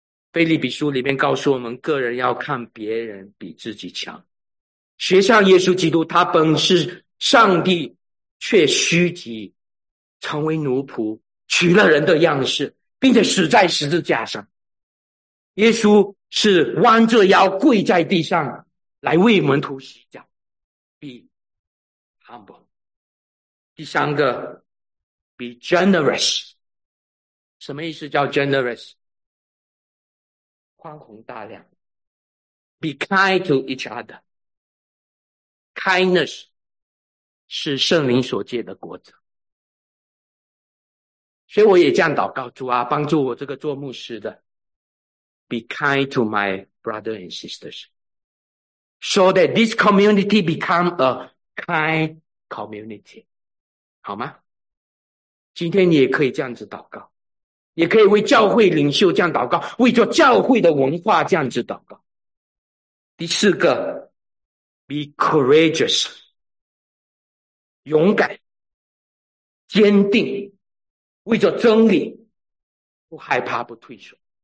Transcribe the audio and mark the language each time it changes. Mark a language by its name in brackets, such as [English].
[Chinese] 腓立比书里面告诉我们，个人要看别人比自己强，学像耶稣基督，他本是上帝，却虚己成为奴仆，取了人的样式，并且死在十字架上。耶稣是弯着腰跪在地上来为门徒洗脚。 [English] Be humble。 [Chinese] 第三个， [English] Be generous。 [Chinese] 什么意思叫 generous？宽宏大量。 [English] Be kind to each other。 [Chinese] Kindness 是圣灵所借的果子。所以我也这样祷告，主啊帮助我这个做牧师的， [English] Be kind to my brother and sisters， so that this community become a kind community， [Chinese] 好吗？今天你也可以这样子祷告，也可以为教会领袖这样祷告，为着教会的文化这样子祷告。第四个， [English] Be courageous， [Chinese] 勇敢坚定，为着真理不害怕不退缩。